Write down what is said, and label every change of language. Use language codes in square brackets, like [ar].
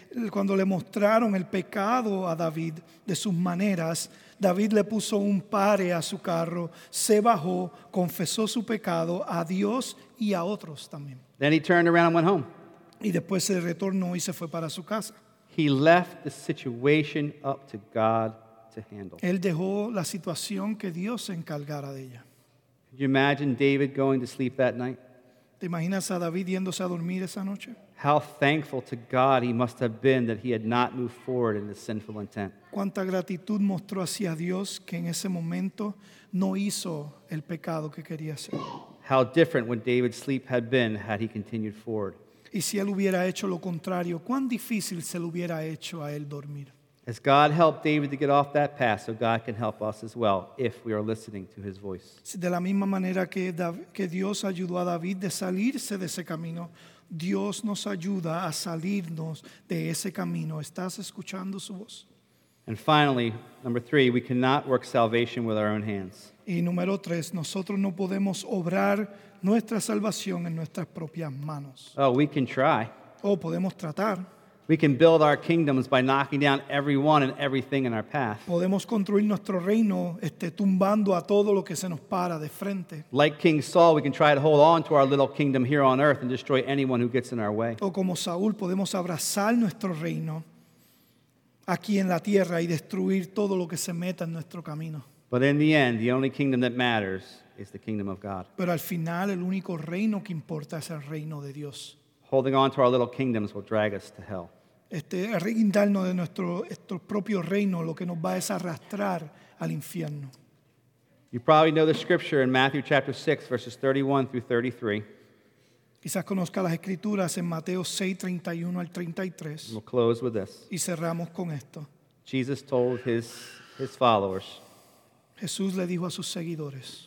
[es] Cuando le mostraron el pecado a David de sus maneras, David le puso un pare a su carro, se bajó, confesó su pecado a Dios y a otros también. [en] Then he turned around and went home. [es] Y después se retornó y se fue para su casa. [en] He left the situation up to God to handle. [es] Él dejó la situación que Dios se encargara de ella. [en] Could you imagine David going to sleep that night? [es] ¿Te imaginas a David yéndose a dormir esa noche? [en] How thankful to God he must have been that he had not moved forward in his sinful intent. [es] ¿Cuánta gratitud mostró hacia Dios que en ese momento no hizo el pecado que quería hacer? [en] How different would David's sleep had been had he continued forward? [es] Y si él hubiera hecho lo contrario, ¿cuán difícil se le hubiera hecho a él dormir? [en] As God helped David to get off that path, so God can help us as well if we are listening to his voice. [es] De la misma manera que Dios ayudó a David de salirse de ese camino, Dios nos ayuda a salirnos de ese camino. ¿Estás escuchando su voz? [en] And finally, number three, we cannot work salvation with our own hands. [es] Y número tres, nosotros no podemos obrar nuestra salvación en nuestras propias manos. [en] Oh, we can try. [es] Oh, podemos tratar. [en] We can build our kingdoms by knocking down everyone and everything in our path. [es] Podemos construir nuestro reino tumbando a todo lo que se nos para de frente. [en] Like King Saul, we can try to hold on to our little kingdom here on earth and destroy anyone who gets in our way. [es] O como Saúl, podemos abrazar nuestro reino aquí en la tierra y destruir todo lo que se meta en nuestro camino. [en] But in the end, the only kingdom that matters is the kingdom of God. [es] Pero al final, el único reino que importa es el reino de Dios. [en] Holding on to our little kingdoms will drag us to hell. [es] Arreglarnos de nuestro propio reino lo que nos va a arrastrar al infierno. [en] You probably know the scripture in Matthew chapter 6, verses 31 through 33. [es] Quizás conozca las escrituras en Mateo 6, 31 al 33. [en] We'll close with this. [es] Y cerramos con esto. [en] Jesus told his followers. [es] Jesús le dijo a sus seguidores.